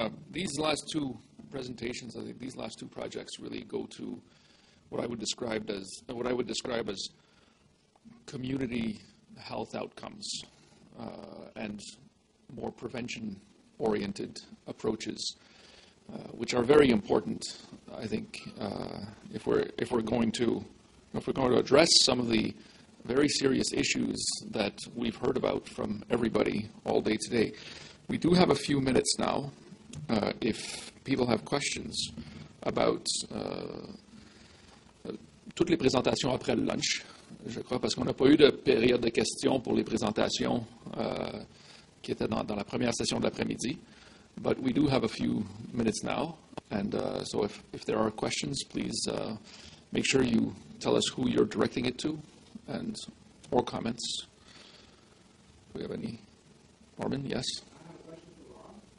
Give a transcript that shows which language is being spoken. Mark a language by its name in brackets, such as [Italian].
[English] These last two presentations, I think these last two projects really go to what I would describe as community health outcomes and more prevention-oriented approaches. Which are very important, I think, if we're going to address some of the very serious issues that we've heard about from everybody all day today. We do have a few minutes now. If people have questions about [French] toutes les présentations après le lunch, je crois, parce qu'on n'a pas eu de période de questions pour les présentations qui étaient dans la première session de l'après-midi. [English] But we do have a few minutes now, and so if there are questions, please make sure you tell us who you're directing it to, and or comments. Do we have any? Norman, yes? I have a question for Rob.